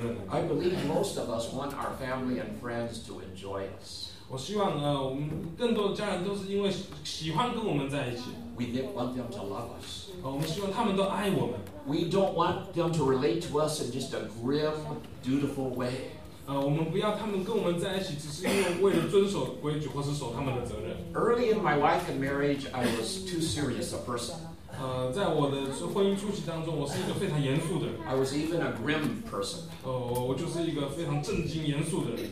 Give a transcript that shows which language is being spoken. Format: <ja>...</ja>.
<en>I believe most of us want our family and friends to enjoy us.</en> <zh>我希望更多的家人都是因为喜欢跟我们在一起。</zh> <en>We want them to love us.</en> <zh>我们希望他们都爱我们。</zh> <en>We don't want them to relate to us in just a grim, dutiful way.</en> <zh>我们不要他们跟我们在一起只是因为为了遵守规矩或是守他们的责任。</zh> <en>Early in my life and marriage, I was too serious a person.</en> <zh>在我的婚姻初期当中，我是一个非常严肃的人。</zh> <en>I was even a grim person.</en> <zh>我就是一个非常震惊严肃的人。</zh>